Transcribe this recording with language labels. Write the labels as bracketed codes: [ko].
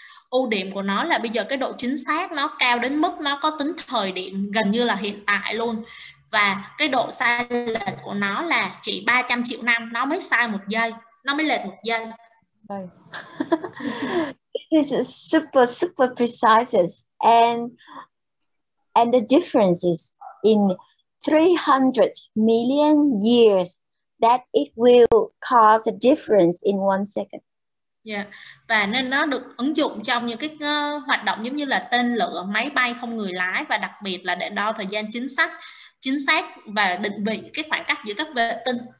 [vi] Ưu điểm của nó là bây giờ cái độ chính xác nó cao đến mức nó có tính thời điểm gần như là hiện tại luôn, và cái độ sai lệch của nó là chỉ 300 triệu năm nó mới sai một giây, nó mới lệch một giây. [en] It's super precise, and the difference is in 300 million years that it will cause a difference in 1 second. [vi] Yeah, và nên nó được ứng dụng trong những cái hoạt động giống như là tên lửa, máy bay không người lái, và đặc biệt là để đo thời gian chính xác và định vị cái khoảng cách giữa các vệ tinh.